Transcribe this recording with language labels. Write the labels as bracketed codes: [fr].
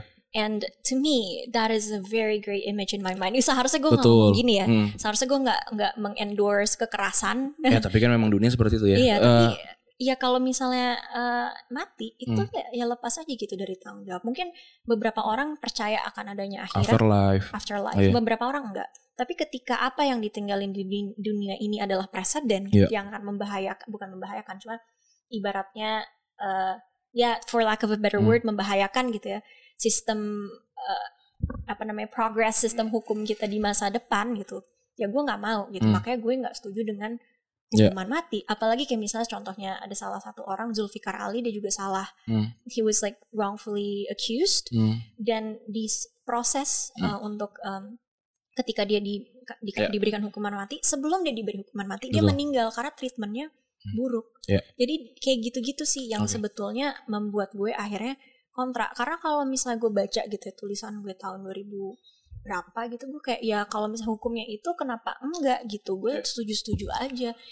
[en] And to me that is a very great image in my mind. [id] Seharusnya gue nggak ngomong gini ya. Seharusnya gue nggak mengendorse kekerasan. Ya tapi kan memang dunia seperti itu ya. Iya tapi ya kalau misalnya mati itu ya lepas aja gitu dari tanggung jawab. Mungkin beberapa orang percaya akan adanya akhirat. [en] Afterlife. [id] Oh, iya. Beberapa orang enggak. Tapi ketika apa yang ditinggalin di dunia ini adalah presiden yang akan membahayakan, cuma ibaratnya [en] for lack of a better word, [id] membahayakan gitu ya sistem progress sistem hukum kita di masa depan gitu. Ya gue nggak mau gitu. Makanya gue nggak setuju dengan hukuman mati. Apalagi kayak misalnya contohnya ada salah satu orang, Zulfikar Ali, dia juga salah. [en] He was like wrongfully accused. [id] Dan di proses untuk ketika dia diberikan hukuman mati, sebelum dia diberi hukuman mati, dia meninggal karena treatmentnya buruk. Jadi kayak gitu-gitu sih yang sebetulnya membuat gue akhirnya kontra. Karena kalau misalnya gue baca gitu ya, tulisan gue tahun 2000 berapa gitu, gue kayak ya kalau misalnya hukumnya itu kenapa enggak gitu, gue setuju-setuju aja.